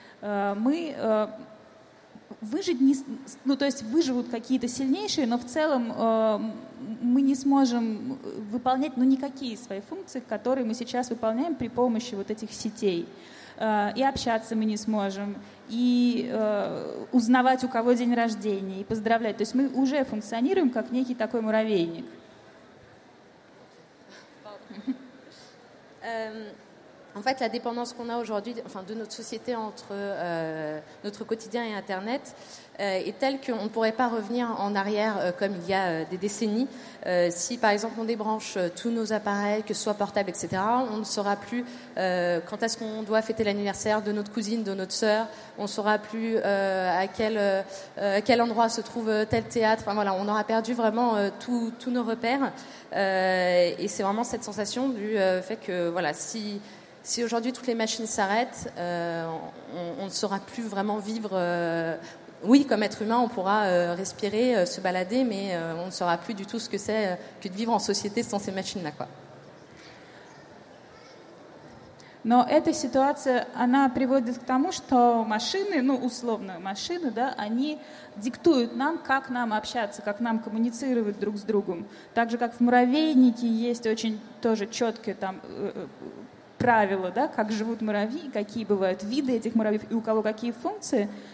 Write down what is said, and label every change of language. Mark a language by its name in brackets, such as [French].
[Russian] Мы выжить не, ну то есть выживут какие-то сильнейшие, но в целом мы не сможем выполнять, ну никакие свои функции, которые мы сейчас выполняем при помощи вот этих сетей. И общаться мы не сможем, и узнавать, у кого день рождения, и поздравлять. То есть мы уже функционируем как некий такой муравейник. [French] En fait, la dépendance qu'on a aujourd'hui, enfin, de notre société entre notre quotidien et Internet, est telle qu'on ne pourrait pas revenir en arrière comme il y a des décennies. Si, par exemple, on débranche tous nos appareils, que ce soit portable, etc., on ne saura plus quand est-ce qu'on doit fêter l'anniversaire de notre cousine, de notre sœur. On ne saura plus à quel endroit se trouve tel théâtre. Enfin, voilà, on aura perdu vraiment tous nos repères. Et c'est vraiment cette sensation du fait que, voilà, si aujourd'hui toutes les machines s'arrêtent, on ne saura plus vraiment vivre, Oui, comme être humain, on pourra respirer, se balader, mais on ne saura plus du tout ce que c'est que de vivre en société sans ces machines-là, quoi. [Russian] Но эта ситуация, она приводит к тому, что машины, ну, условно, машины, да, они диктуют нам, как нам общаться, как нам коммуницировать друг с другом. Так же, как в муравейнике есть очень тоже четкие там правила, да, как живут муравьи, какие бывают виды этих муравьев и у кого какие функции.